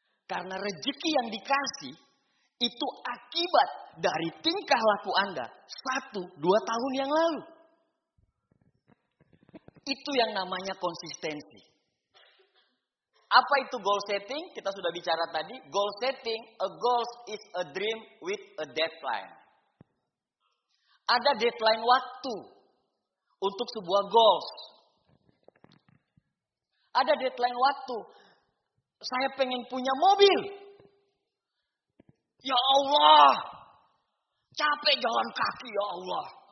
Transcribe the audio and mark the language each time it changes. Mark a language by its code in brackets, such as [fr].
[id] Karena rezeki yang dikasih itu akibat dari tingkah laku Anda 1-2 tahun yang lalu. Itu yang namanya konsistensi. Apa itu goal setting? Kita sudah bicara tadi. [en] Goal setting, a goal is a dream with a deadline. [id] Ada deadline waktu untuk sebuah goals. Ada deadline waktu. Saya pengen punya mobil. Ya Allah. Capek jalan kaki, ya Allah.